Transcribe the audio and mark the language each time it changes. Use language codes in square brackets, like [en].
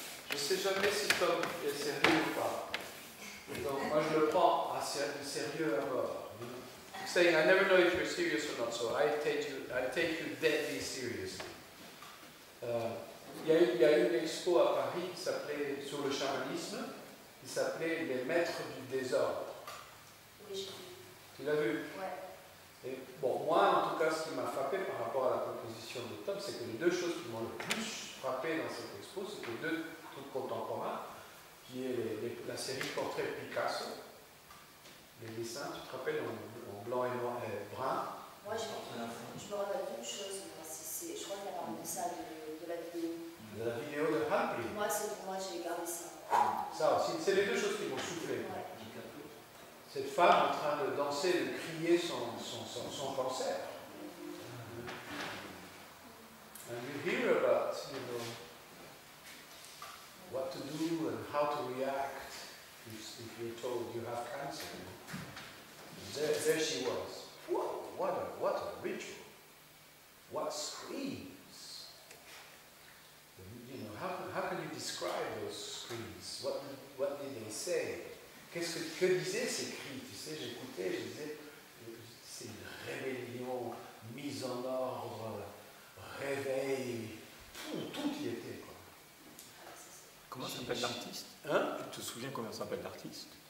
[fr] Je ne sais jamais si Tom est sérieux ou pas. Donc, moi, je le prends assez sérieux alors. [en] Saying, I never know if you're serious or not, so I take you deadly seriously. [fr] Il y a eu une expo à Paris qui s'appelait Sur le chamanisme, qui s'appelait Les maîtres du désordre. Oui. Tu l'as vu? Ouais. Et bon, moi, en tout cas, ce qui m'a frappé par rapport à la proposition de Tom, c'est que les deux choses qui m'ont le plus frappé dans cette expo, c'était deux trucs contemporains, qui est la série Portrait Picasso, les dessins, tu te rappelles, en blanc et brun. Moi, je me rappelle d'une chose, je crois qu'il y a un dessin de la vidéo. De la vidéo de Halperin. Moi, j'ai gardé ça. Ça aussi, c'est les deux choses qui m'ont soufflé. Ouais. Cette femme en train de danser, de crier son cancer. [en] And you hear about, you know, what to do and how to react if you're told you have cancer. And there she was. Whoa, what a ritual. What screams. You know, how can you describe those screams? What did they say? [fr] Que disaient ces cris? Tu sais, j'écoutais, je disais, c'est une rébellion, mise en ordre, réveil, tout y était. Quoi. Comment s'appelle l'artiste? Hein? Tu te souviens comment s'appelle l'artiste?